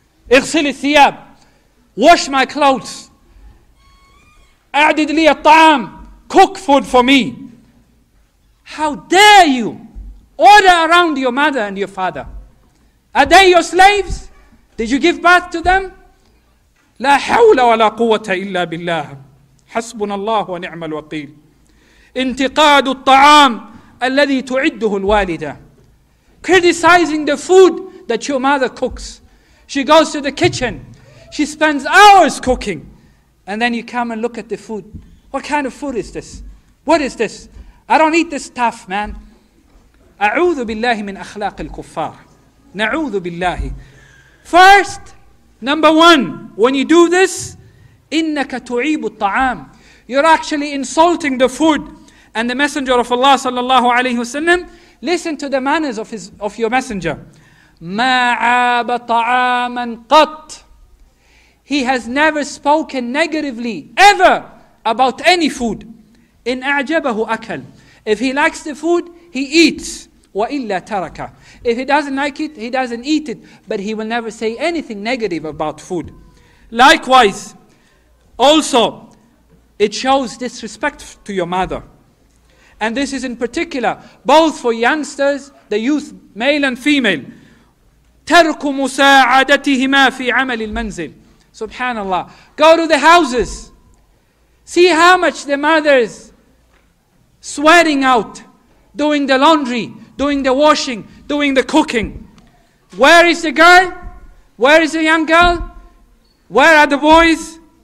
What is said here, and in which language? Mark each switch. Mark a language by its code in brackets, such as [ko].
[ar] اغسل الثياب, [en] wash my clothes. [ar] اعدد لي الطعام, [en] cook food for me. How dare you order around your mother and your father? Are they your slaves? Did you give birth to them? [ar] لا حول ولا قوة إلا بالله. حسبنا الله ونعم الوكيل. انتقاد الطعام الذي تعده الوالدة. [en] Criticizing the food that your mother cooks. She goes to the kitchen. She spends hours cooking. And then you come and look at the food. What kind of food is this? What is this? I don't eat this stuff, man. [ar] أعوذ بالله من أخلاق الكفار. نعوذ بالله. [en] First, number one, when you do this, [ar] إنك تعيب الطعام. [en] You're actually insulting the food. And the Messenger of Allah [ar] صلى الله عليه وسلم, [en] listen to the manners of your messenger. [ar] ما عاب طعاما قط. [en] He has never spoken negatively ever about any food. [ar] إن أعجبه أكل. [en] If he likes the food, he eats. [ar] وإلا ترك. [en] If he doesn't like it, he doesn't eat it. But he will never say anything negative about food. Likewise, also, it shows disrespect to your mother. And this is in particular, both for youngsters, the youth, male and female. [ar] ترك مساعدتهما في عمل المنزل. [en] Subhanallah. Go to the houses. See how much the mothers sweating out, doing the laundry, doing the washing, doing the cooking. Where is the girl? Where is the young girl? Where are the boys?